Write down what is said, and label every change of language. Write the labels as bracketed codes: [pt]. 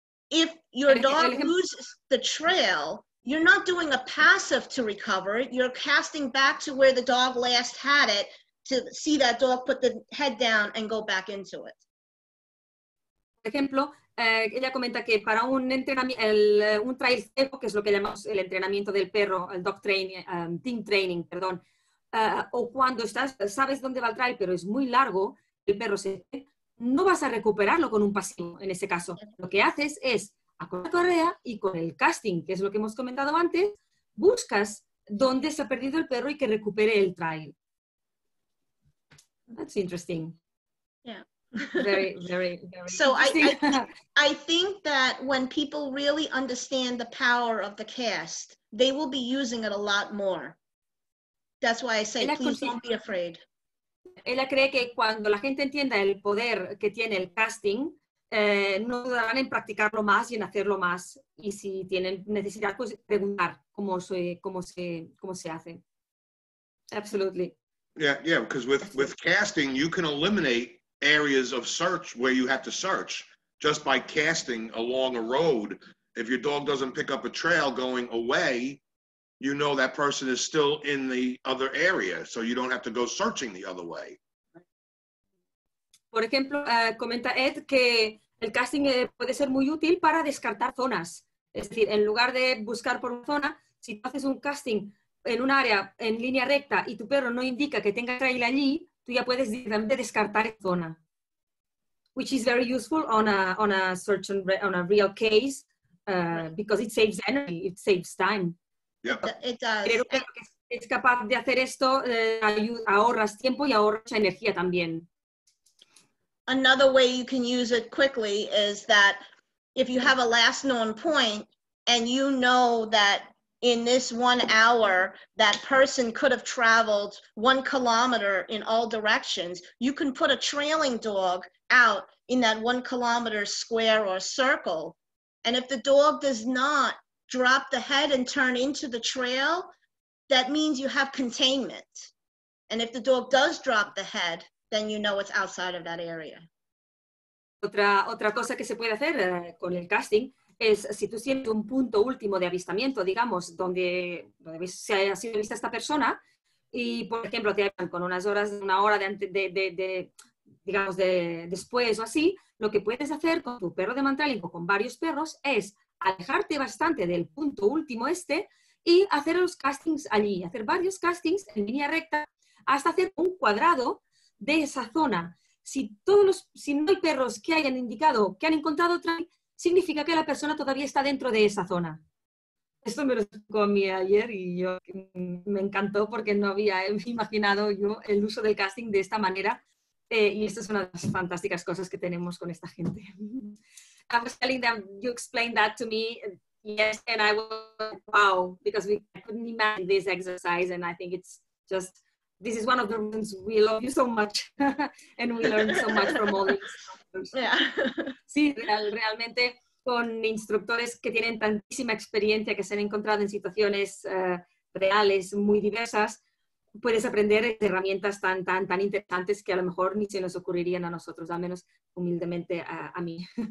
[en] If your dog loses the trail, you're not doing a passive to recover it. You're casting back to where the dog last had it to see that dog put the head down and go back into it. [es] Por ejemplo, ella comenta que para un entrenamiento, un trail ciego, que es lo que llamamos el entrenamiento del perro, el [en] dog training, team training, [es] perdón, o cuando sabes dónde va el trail, pero es muy largo, el perro se... No vas a recuperarlo con un pasivo, en ese caso. Lo que haces es, con la correa y con el casting, que es lo que hemos comentado antes, buscas dónde se ha perdido el perro y que recupere el trail. [en] That's interesting. Yeah. Very, very, very so interesting. I think that when people really understand the power of the cast, they will be using it a lot more. That's why I say, please don't be afraid. [es] Ella cree que cuando la gente entienda el poder que tiene el casting, no dudarán en practicarlo más y en hacerlo más. Y si tienen necesidad, pues preguntar cómo se hace. [en] Absolutely. Yeah, because with casting, you can eliminate areas of search where you have to search just by casting along a road. If your dog doesn't pick up a trail going away, you know that person is still in the other area, so you don't have to go searching the other way. [es] Por ejemplo, comenta Ed que el casting puede ser muy útil para descartar zonas. Es decir, en lugar de buscar por una zona, si tú haces un casting en un área en línea recta y tu perro no indica que tenga trail allí, tú ya puedes directamente descartar zona. [en] Which is very useful on a search on a real case because it saves energy, it saves time. Yep. It does. [es] Creo que es capaz de hacer esto, ahorras tiempo y ahorras energía también. [en] another way you can use it quickly is that if you have a last known point and you know that in this 1 hour, that person could have traveled 1 kilometer in all directions, you can put a trailing dog out in that 1 kilometer square or circle. And if the dog does not drop the head and turn into the trail, that means you have containment. And if the dog does drop the head, then you know it's outside of that area. [es] Otra cosa que se puede hacer con el casting es si tú sientes un punto último de avistamiento, digamos, donde se haya sido vista esta persona, y por ejemplo te hablan con unas horas, una hora de después o así, lo que puedes hacer con tu perro de mantrailing o con varios perros es alejarte bastante del punto último este y hacer los castings allí, hacer varios castings en línea recta hasta hacer un cuadrado de esa zona. Si no hay perros que hayan indicado que han encontrado trail, significa que la persona todavía está dentro de esa zona. Esto me lo comí ayer y yo me encantó porque no había imaginado yo el uso del casting de esta manera. Y esta es una de las fantásticas cosas que tenemos con esta gente. [en] I was telling them, you explained that to me, yes, and I was like, wow, because we couldn't imagine this exercise, and I think it's just, this is one of the reasons we love you so much, and we learn so much from all these instructors. Yeah. [es] Sí, realmente con instructores que tienen tantísima experiencia, que se han encontrado en situaciones reales muy diversas, puedes aprender herramientas tan, tan, tan interesantes que a lo mejor ni se nos ocurrirían a nosotros, al menos humildemente a mí.